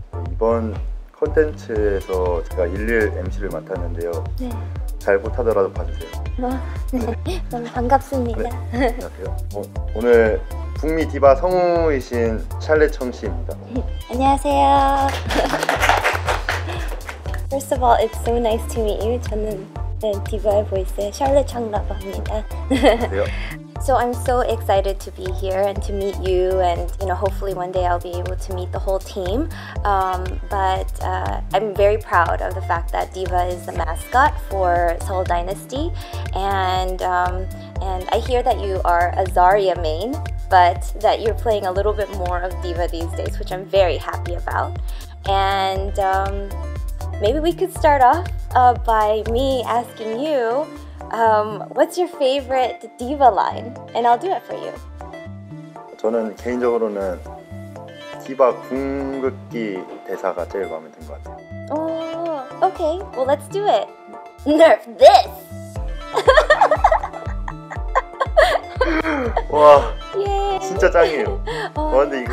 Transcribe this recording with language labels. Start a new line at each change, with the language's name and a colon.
Korean: 이번 컨텐츠에서 제가 일일 MC를 맡았는데요. 네. 잘 못하더라도 봐주세요. 네. 너무 반갑습니다. 네. 안녕하세요. 오늘 북미 디바 성우이신 찰레 청시입니다. 안녕하세요.
English: First of all, it's so nice to meet you.
Korean: 저는 디바의 보이스 샬레 청라고 합니다. 안녕하세요.
English: So I'm so excited to be here and to meet you, and you know, hopefully one day I'll be able to meet the whole team. But I'm very proud of the fact that Diva is the mascot for Seoul Dynasty, and I hear that you are Azaria main. But that you're playing a little bit more of Diva these days, which I'm very happy about. And maybe we could start off by me asking you, what's your favorite Diva line? And I'll do it for you.
Korean: 저는 개인적으로는 디바 궁극기 대사가 제일 마음에 든 것 같아요.
English: Oh, okay. Well, let's do it. Nerf this.
Korean: 와. 진짜 짱이에요. 어, 근데 이거